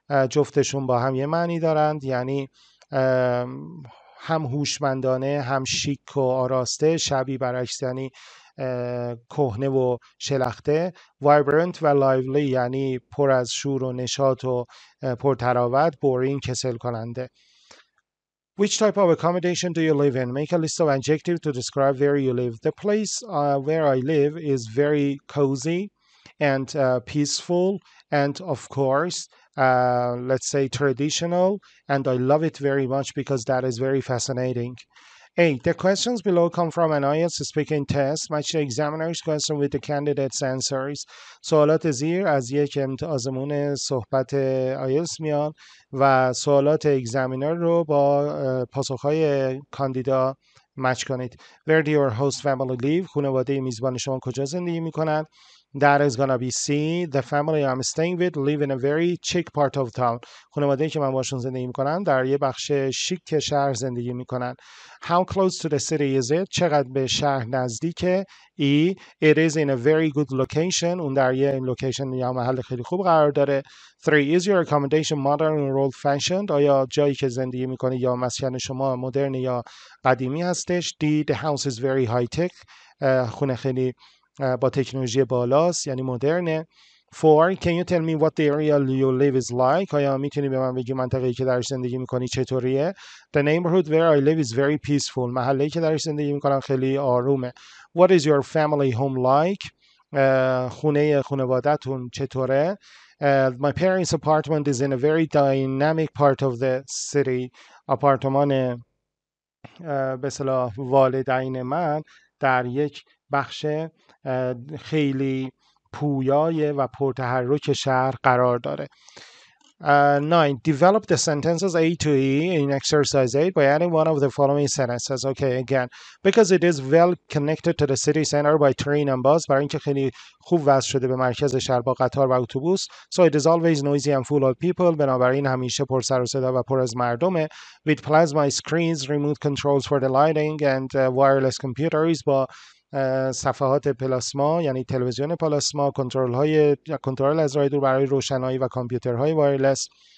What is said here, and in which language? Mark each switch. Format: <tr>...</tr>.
<fa>جفتشون با هم یه معنی دارند، یعنی هم هوشمندانه هم شیک و آراسته، شبی برعکس یعنی کهنه و شلخته. Vibrant و lively یعنی پر از شور و نشاط و پرتراوت. Boring کسل کننده.</fa> <en>Which type of accommodation do you live in? Make a list of adjectives to describe where you live. The place where I live is very cozy and peaceful and of course let's say traditional and I love it very much because that is very fascinating. A. The questions below come from an IELTS speaking test. Match the examiner's question with the candidate's answers.</en> <fa>سوالات زیر از یک آزمون صحبت IELTS میان و سوالات examiner رو با پاسخهای کاندیدا match کنید.</fa> <en>Where do your host family live?</en> <fa>خانواده میزبان شما کجا زندگی میکنند؟</fa> <en>That is gonna be C. The family I'm staying with live in a very chic part of town.</en> <fa>خانواده که من باشون زندگی میکنم در یه بخش شیک شهر زندگی میکنن.</fa> <en>How close to the city is it?</en> <fa>چقدر به شهر نزدیکه؟</fa> <en>E. It is in a very good location.</en> <fa>اون در یه location یا محل خیلی خوب قرار داره.</fa> <en>3. Is your accommodation modern or old fashioned?</en> <fa>آیا جایی که زندگی میکنی یا مسکن شما مدرن یا قدیمی هستش؟ D.</fa> <en>The house is very high tech.</en> <fa>خونه خیلی با تکنولوژی بالاست، یعنی مدرنه. 4.</fa> <en>Can you tell me what the area you live is like?</en> <fa>آیا میتونی به من بگی منطقه‌ای که درش زندگی میکنی چطوریه؟</fa> <en>The neighborhood where I live is very peaceful.</en> <fa>محله‌ای که درش زندگی میکنم خیلی آرومه.</fa> <en>What is your family home like?</en> <fa>خونه خانوادتون چطوره؟</fa> <en>My parents' apartment is in a very dynamic part of the city.</en> <fa>آپارتمان به اصطلاح والدین من در یک بخش خیلی پویای و پرتحرک شهر قرار داره. 9.</fa> <en>Develop the sentences A to E in exercise 8 by adding one of the following sentences. Okay, again, because it is well connected to the city center by train and bus,</en> <fa>برای اینکه خیلی خوب وصل شده به مرکز شهر با قطار و اتوبوس.</fa> <en>So it is always noisy and full of people.</en> <fa>بنابراین همیشه پر سر و صدا و پر از مردمه.</fa> <en>With plasma screens, remote controls for the lighting and wireless computers.</en> <fa>با صفحات پلاسما یعنی تلویزیون پلاسما، کنترل از راه دور برای روشنایی و کامپیوترهای وایرلس.</fa>